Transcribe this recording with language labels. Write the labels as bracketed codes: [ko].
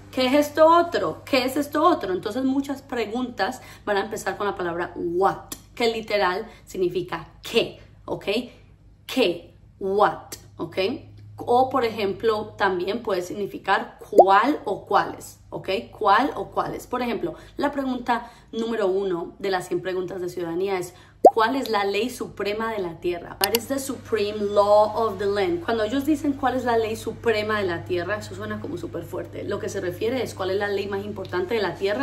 [es] ¿Qué es esto otro? ¿Qué es esto otro? Entonces muchas preguntas van a empezar con la palabra what, que literal significa qué. ¿Ok? ¿Qué? ¿What? ¿Ok? O, por ejemplo, también puede significar ¿cuál o cuáles? ¿Ok? ¿Cuál o cuáles? Por ejemplo, la pregunta número 1 de las 100 preguntas de ciudadanía es ¿cuál es la ley suprema de la Tierra? [en] What is the supreme law of the land? [es] Cuando ellos dicen ¿cuál es la ley suprema de la Tierra? Eso suena como súper fuerte. Lo que se refiere es ¿cuál es la ley más importante de la Tierra?